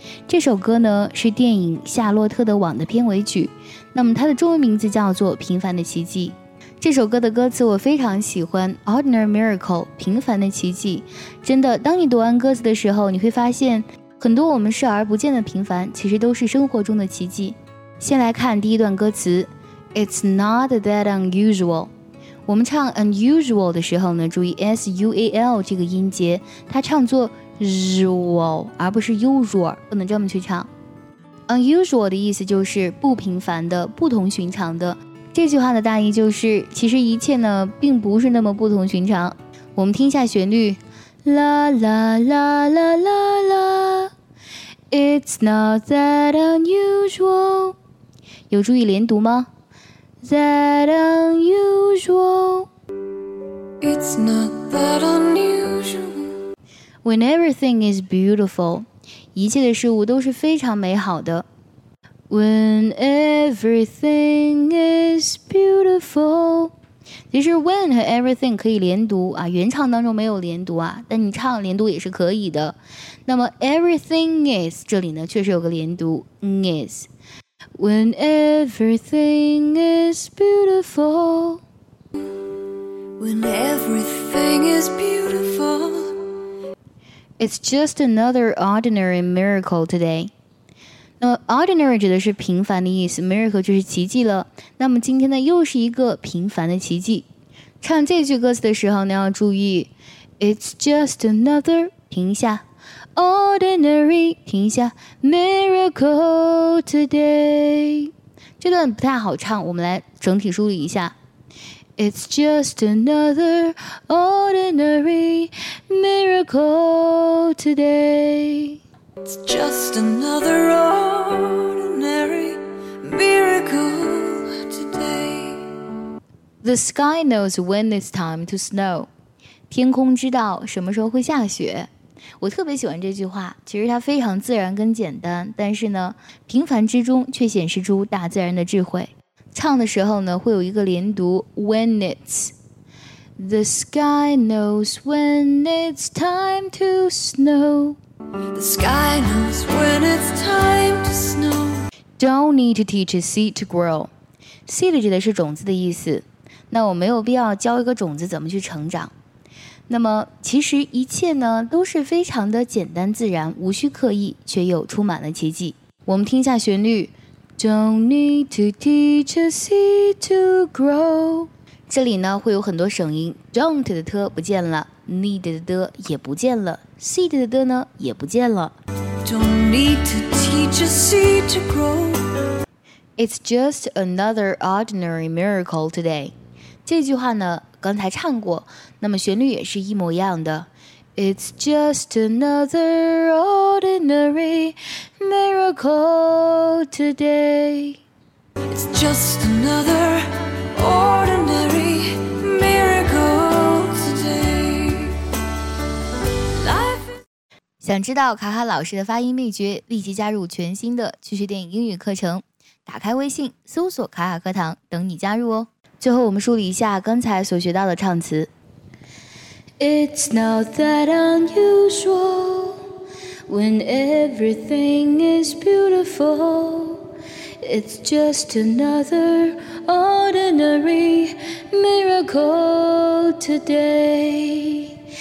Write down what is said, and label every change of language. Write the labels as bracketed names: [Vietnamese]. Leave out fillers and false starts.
[Chinese] 这首歌呢是电影《夏洛特的网》的片尾曲，那么它的中文名字叫做《平凡的奇迹》。这首歌的歌词我非常喜欢 ， [English] Ordinary Miracle， [Chinese] 平凡的奇迹。真的，当你读完歌词的时候，你会发现很多我们视而不见的平凡，其实都是生活中的奇迹。先来看第一段歌词 ， [English] It's not that unusual。 [Chinese] 我们唱 unusual 的时候呢，注意 S-U-A-L 这个音节，它唱作 usual 而不是 usual， 不能这么去唱。 unusual 的意思就是不平凡的，不同寻常的。这句话的大意就是其实一切呢并不是那么不同寻常。我们听一下旋律，啦啦啦啦啦啦， [English] It's not that unusual， [Chinese] 有注意连读吗？ [English] That unusual. It's not that unusual. When everything is beautiful, [Chinese] 一切的事物都是非常美好的。 [English] When everything is beautiful. [Chinese] 其实 when 和 everything 可以连读啊，原唱当中没有连读啊，但你唱连读也是可以的。那么 everything is 这里呢，确实有个连读 is。 [English] When everything is beautiful, when everything is beautiful, it's just another ordinary miracle today. [Chinese] 那么 ordinary 指的是平凡的意思， miracle 就是奇迹了。那么今天呢，又是一个平凡的奇迹。唱这句歌词的时候呢，要注意 ， [English] it's just another [Chinese] 停一下。 Ordinary 停一下 [English] Miracle today [Chinese] 这段不太好唱，我们来整体梳理一下。 [English] It's just another ordinary miracle today. It's just another ordinary miracle today. The sky knows when it's time to snow. [Chinese] 天空知道什么时候会下雪。我特别喜欢这句话，其实它非常自然跟简单，但是呢，平凡之中却显示出大自然的智慧。唱的时候呢，会有一个连读 ， [English] when it's the sky knows when it's time to snow, the sky knows when it's time to snow. Don't need to teach a seed to grow. [Chinese] Seed 指的是种子的意思，那我没有必要教一个种子怎么去成长。那么其实一切呢都是非常的简单自然，无需刻意，却又充满了奇迹。我们听一下旋律， [English] Don't need to teach a seed to grow， [Chinese] 这里呢会有很多声音， Don't 的 t 不见了， Need 的 t 也不见了， Seed 的 t 呢也不见了。 [English] Don't need to teach a seed to grow. It's just another ordinary miracle today. [Chinese] 这句话呢刚才唱过，那么旋律也是一模一样的。 [English] It's just another ordinary miracle today. It's just another ordinary miracle today. Life is... [Chinese] 想知道卡卡老师的发音秘诀，立即加入全新的趣趣电影英语课程。打开微信，搜索卡卡课堂，等你加入哦。最后我们梳理一下刚才所学到的唱词。 [English] It's not that unusual when everything is beautiful. It's just another ordinary miracle today.